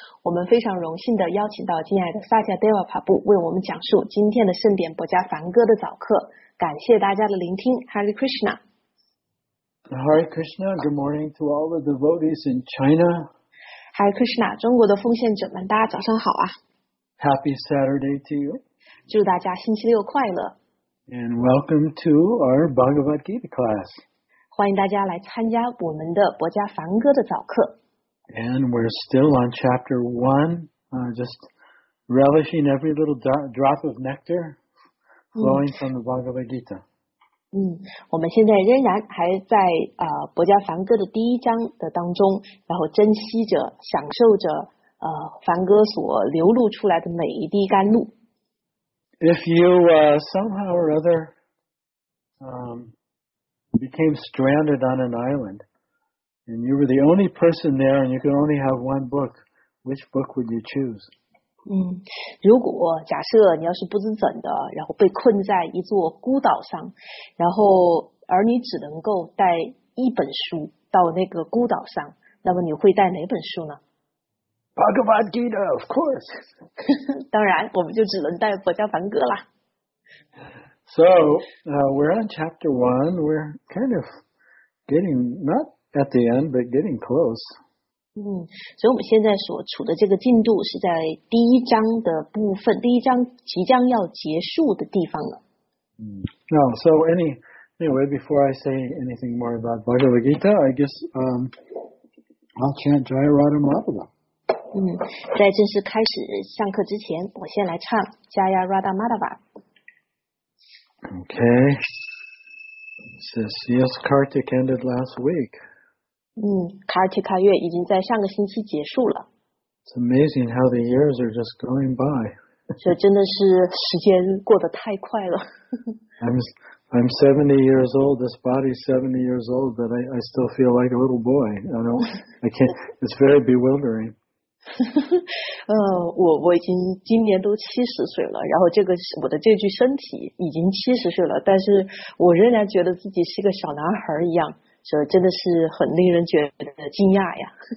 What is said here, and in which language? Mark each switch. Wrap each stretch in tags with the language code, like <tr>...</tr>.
<zh>我们非常荣幸地邀请到敬爱的萨迦 Deva 帕布为我们讲述今天的圣典博迦梵歌的早课。感谢大家的聆听 ，Hare Krishna。</zh> <en>Hare Krishna, good morning to all the devotees in China.</en> <zh>Hare Krishna, 中国的奉献者们，大家早上好啊！</zh> <en>Happy Saturday to you.</en> <zh>祝大家星期六快乐。</zh> <en>And welcome to our Bhagavad Gita class.</en> <zh>欢迎大家来参加我们的博迦梵歌的早课。</zh> <en>And we're still on chapter one, just relishing every little drop of nectar flowing from the Bhagavad Gita.</en> <zh>我们现在仍然还在博迦梵歌的第一章的当中，然后珍惜着、享受着梵歌所流露出来的每一滴甘露。</zh> <en>If you somehow or other became stranded on an island, and you were the only person there, and you could only have one book, which book would you choose?</en> <zh>如果假设你要是不知怎的，然后被困在一座孤岛上，然后而你只能够带一本书到那个孤岛上，那么你会带哪本书呢？</zh> <en>Bhagavad Gita, of course.</en> <zh>当然，我们就只能带《博迦梵歌》啦。</zh> <en>So, we're on chapter one. We're kind of getting not at the end, but getting close.</en> <zh>所以我们现在所处的这个进度是在第一章的部分，第一章即将要结束的地方了。</zh> <en>Now, so anyway, before I say anything more about Bhagavad Gita, I guess I'll chant Jai Radha Madhava.</en> <zh>在正式开始上课之前，我先来唱 Jaya Radha Madhava。</zh> <en>Okay. This is, yes, Kartik ended last week.</en> <zh>Kartika 月已经在上个星期结束了。</zh> <en>It's amazing how the years are just going by.</en> <zh>这真的是时间过得太快了。</zh> <en>I'm 70 years old. This body's 70 years old, but I still feel like a little boy. It's very bewildering.</en> <zh>我已经今年都70岁了，然后这个我的这具身体已经70岁了，但是我仍然觉得自己是个小男孩一样，所以真的是很令人觉得惊讶呀。</zh>